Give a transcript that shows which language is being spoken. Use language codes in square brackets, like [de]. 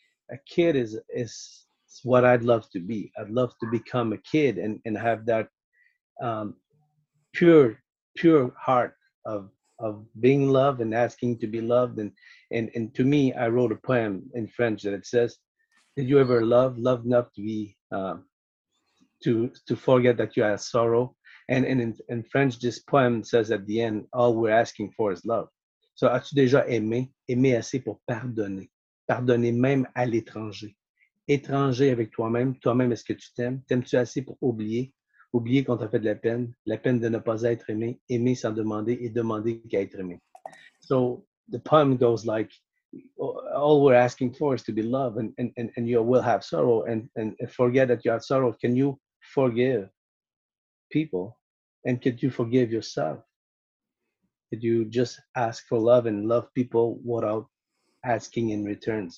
[en] A kid is what I'd love to be. I'd love to become a kid and have that pure heart of being loved and asking to be loved. And to me, I wrote a poem in French that it says, did you ever love enough to be to forget that you had sorrow? And in French, this poem says at the end, all we're asking for is love. [fr] So, as-tu déjà aimé? Aimé assez pour pardonner. Pardonner même à l'étranger. Étranger avec toi-même. Toi-même, est-ce que tu t'aimes? T'aimes-tu assez pour oublier? Oublier quand t'as fait de la peine. La peine de ne pas être aimé. Aimer sans demander et demander qu'à être aimé. [en] So, the poem goes like, all we're asking for is to be loved and you will have sorrow and forget that you have sorrow. Can you forgive people, and could you forgive yourself? Could you just ask for love and love people without asking in returns?